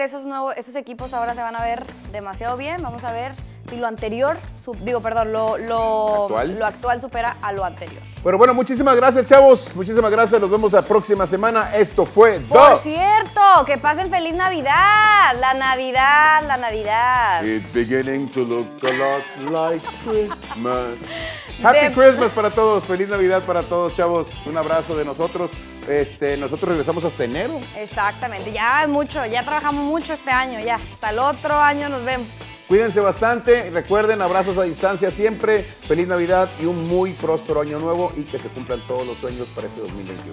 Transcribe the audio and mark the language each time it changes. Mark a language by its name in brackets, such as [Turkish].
[Spanish] Esos equipos ahora se van a ver demasiado bien. Vamos a ver si lo anterior, lo actual. Lo actual supera a lo anterior. Pero bueno, muchísimas gracias, chavos. Muchísimas gracias. Nos vemos la próxima semana. Esto fue Por cierto, que pasen feliz Navidad. La Navidad. [English] It's beginning to look a lot like Christmas. Happy Christmas [Spanish] para todos. Feliz Navidad para todos, chavos. Un abrazo de nosotros. Nosotros regresamos hasta enero. Exactamente. Ya es mucho. Ya trabajamos mucho este año. Ya. Hasta el otro año nos vemos. Cuídense bastante. Recuerden, abrazos a distancia siempre. Feliz Navidad y un muy próspero año nuevo y que se cumplan todos los sueños para este 2021.